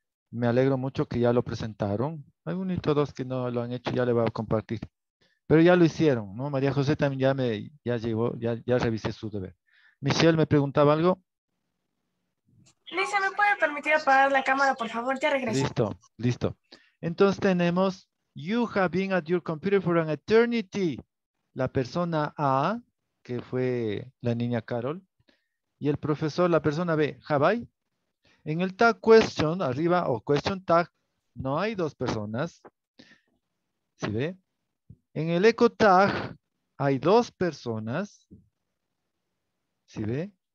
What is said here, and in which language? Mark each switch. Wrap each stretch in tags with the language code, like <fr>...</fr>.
<es>Me alegro mucho que ya lo presentaron. Hay uno y todos que no lo han hecho, ya le voy a compartir. Pero ya lo hicieron, ¿no? María José también ya revisé su deber. Michelle, ¿me preguntaba algo? Lisa, ¿me puede permitir apagar la cámara, por favor? Ya regreso. Listo, listo. Entonces tenemos,</es> <en>you have been at your computer for an eternity.</en> <es>La persona A, que fue la niña Carol, y el profesor, la persona B,</es> <en>have I?</en> <es>En el tag question, arriba, o question tag, no hay dos personas. ¿Sí ve? En el echo tag, hay dos personas. ¿Sí ve?</es>